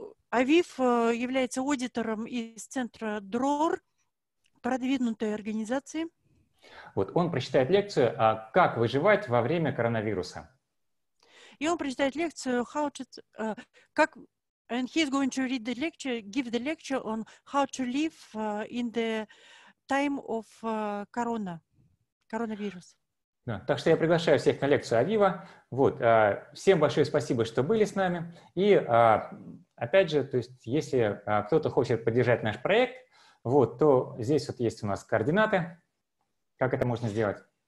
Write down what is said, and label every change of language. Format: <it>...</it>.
<ru>Авив является аудитором из Центра ДРОР, продвинутой организации. Вот он прочитает лекцию «Как выживать во время коронавируса». И он прочитает лекцию</ru> <en>«How to...»</en> <ru>как...</ru> <en>And he's going to read the lecture, give the lecture on how to live in the time of corona, coronavirus.</en> <ru>Да, так что я приглашаю всех на лекцию Авива. Вот, всем большое спасибо, что были с нами. И опять же, то есть, если кто-то хочет поддержать наш проект, вот, то здесь вот есть у нас координаты, как это можно сделать.</ru>